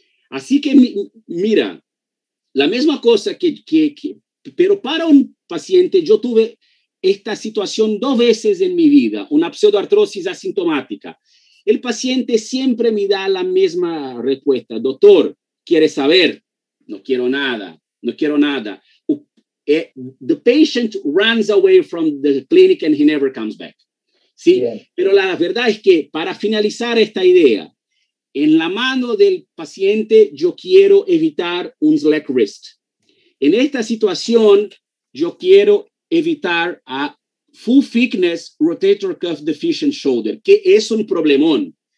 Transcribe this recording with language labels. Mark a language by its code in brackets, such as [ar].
[es] Así que mira, la misma cosa que pero para un paciente, yo tuve esta situación dos veces en mi vida, una pseudoartrosis asintomática. El paciente siempre me da la misma respuesta. Doctor, ¿quiere saber? No quiero nada. [en] The patient runs away from the clinic and he never comes back. [es] ¿Sí? Pero la verdad es que para finalizar esta idea, en la mano del paciente yo quiero evitar un slack wrist. En esta situación yo quiero evitar a full thickness rotator cuff deficient shoulder, que es un problemón.